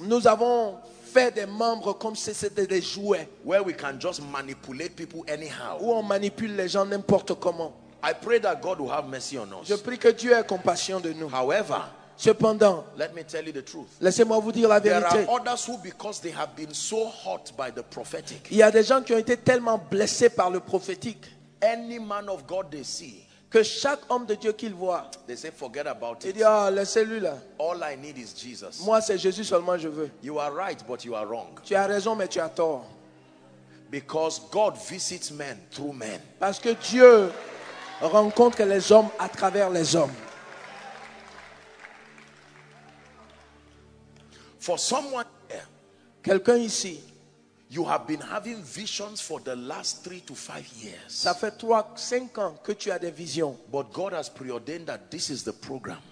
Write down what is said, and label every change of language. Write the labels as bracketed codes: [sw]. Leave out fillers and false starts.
[fr] Nous avons fait des membres comme si c'était des jouets. [en] Where we can just manipulate people anyhow. [fr] Où on manipule les gens n'importe comment. [en] I pray that God will have mercy on us. [fr] Je prie que Dieu ait compassion de nous. [en] However, [fr] cependant, [en] let me tell you the truth. [fr] Laissez-moi vous dire la vérité. [en] There are others who, because they have been so hurt by the prophetic. [fr] Il y a des gens qui ont été tellement blessés par le prophétique. [en] Any man of God they see. [fr] Que chaque homme de Dieu qu'il voit, [en] they say, forget about [fr] il dit, ah, oh, laissez-lui là. [en] All I need is Jesus. [fr] Moi, c'est Jésus seulement je veux. [en] You are right, but you are wrong. [fr] Tu as raison, mais tu as tort. [en] Because God visits men through men. [fr] Parce que Dieu rencontre les hommes à travers les hommes. [en] For someone here, [fr] quelqu'un ici, [en] you have been having visions for the last 3 to 5 years. [fr] Ça fait 3-5 ans que tu as des visions. [en] But God has preordained that this is the program.